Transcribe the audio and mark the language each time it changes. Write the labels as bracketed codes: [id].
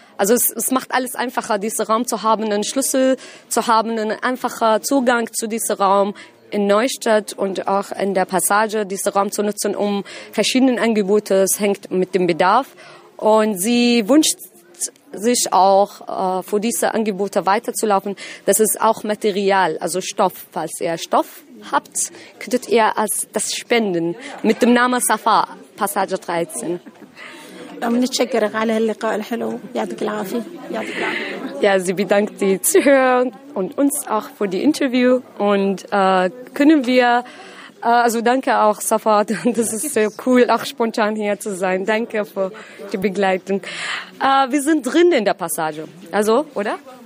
[de] Also es macht alles einfacher, diesen Raum zu haben, einen Schlüssel zu haben, einen einfacher Zugang zu diesem Raum in Neustadt und auch in der Passage, diesen Raum zu nutzen, um verschiedene Angebote, es hängt mit dem Bedarf. Und sie wünscht sich auch, für diese Angebote weiterzulaufen. Das ist auch Material, also Stoff. Falls ihr Stoff habt, könntet ihr als das spenden, mit dem Namen Safa, Passage 13. [ar] نتشكرك على هاللقاء الحلو. يعطيك العافية. [de] Ja, sie bedankt die Zuhörer und uns auch für die Interview. Und können wir, also danke auch, Safat, das ist sehr cool, auch spontan hier zu sein. Danke für die Begleitung. Wir sind drin in der Passage, also, oder?